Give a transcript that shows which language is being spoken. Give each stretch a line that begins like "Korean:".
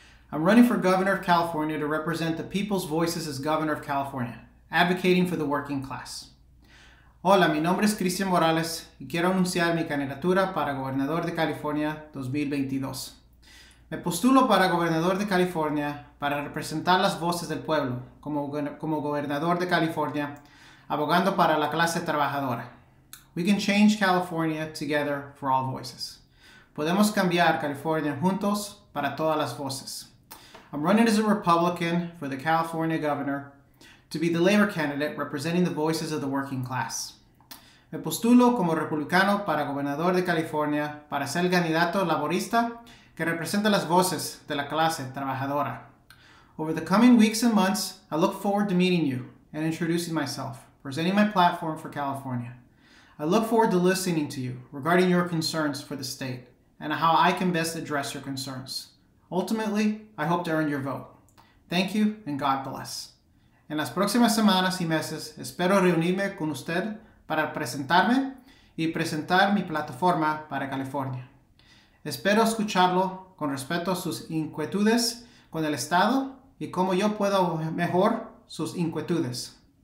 English: I'm running for Governor of California to represent the people's voices as Governor of California, advocating for the working class.
Spanish: Hola, mi nombre es Christian Morales, y quiero anunciar mi candidatura para Gobernador de California 2022. Me postulo para Gobernador de California para representar las voces del pueblo como Gobernador de California, abogando para la clase trabajadora.
English: We can change California together for all voices. Podemos cambiar California juntos para todas las voces. I'm running as a Republican for the California governor to be the labor candidate representing the voices of the working class.
Spanish: Me postulo como republicano para gobernador de California para ser el candidato laborista que representa las voces de la clase trabajadora.
English: Over the coming weeks and months, I look forward to meeting you and introducing myself, presenting my platform for California. I look forward to listening to you regarding your concerns for the state and how I can best address your concerns. Ultimately, I hope to earn your vote. Thank you and God bless.
Spanish: En las próximas semanas y meses, espero reunirme con usted para presentarme y presentar mi plataforma para California. Espero escucharlo con respecto a sus inquietudes con el Estado y cómo yo puedo mejorar sus inquietudes.